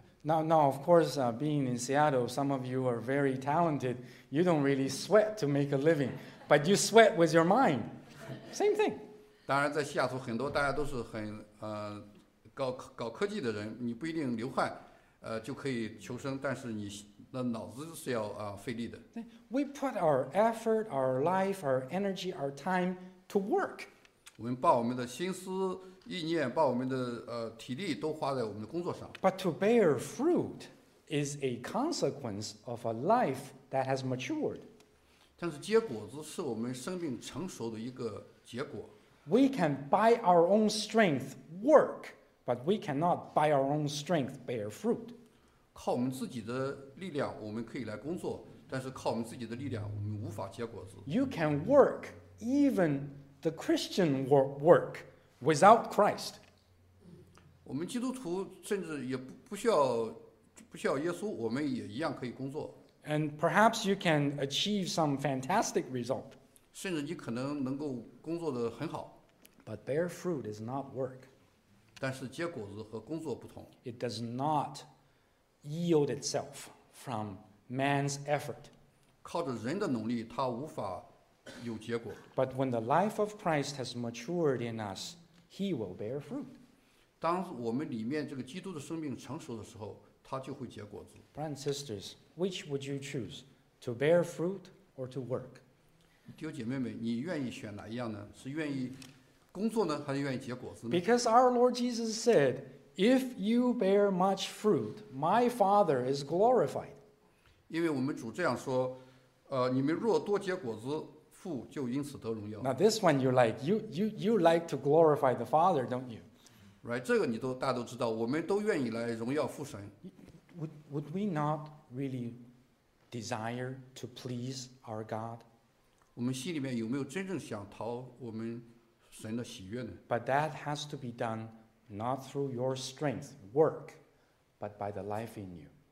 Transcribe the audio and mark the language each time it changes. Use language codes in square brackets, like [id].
[en] Now, of course, being in Seattle, some of you are very talented. You don't really sweat to make a living, but you sweat with your mind. Same thing. [zh] 当然，在西雅图，很多大家都是很搞科技的人，你不一定流汗。就可以求生，但是你那脑子是要费力的。 [en] We put our effort, our life, our energy, our time to work. [zh] 我们把我们的心思意念，把我们的体力都花在我们的工作上。 [en] But to bear fruit is a consequence of a life that has matured. [zh] 但是结果子是我们生命成熟的一个结果。 [en] We can by our own strength work. But we cannot by our own strength bear fruit. [zh] 靠我们自己的力量，我们可以来工作，但是靠我们自己的力量，我们无法结果子。 [en] You can work even the Christian work without Christ. [zh] 我们基督徒甚至也不需要耶稣，我们也一样可以工作。 [en] And perhaps you can achieve some fantastic result. [zh] 甚至你可能能够工作得很好。 [en] But bear fruit is not work. [zh] 但是结果子和工作不同。 [en] It does not yield itself from man's effort. [zh] 靠着人的努力，它无法有结果。 [en] But when the life of Christ has matured in us, He will bear fruit. [zh] 当我们里面这个基督的生命成熟的时候，它就会结果子。 [en] Brothers and sisters, which would you choose to bear fruit or to work? [zh] 弟兄姐妹们，你愿意选哪一样呢？是愿意？工作呢，还是愿意结果子呢？ [en] Because our Lord Jesus said, "If you bear much fruit, my Father is glorified." [zh] 因为我们主这样说，你们若多结果子，父就因此得荣耀。 [en] Now this one you like, you like to glorify the Father, don't you? [zh] Right, 这个你都大家都知道，我们都愿意来荣耀父神。 [en] Would we not really desire to please our God? [zh] 我们心里面有没有真正想讨我们？ [en] But that has to be done not through your strength, work, but by the life in you.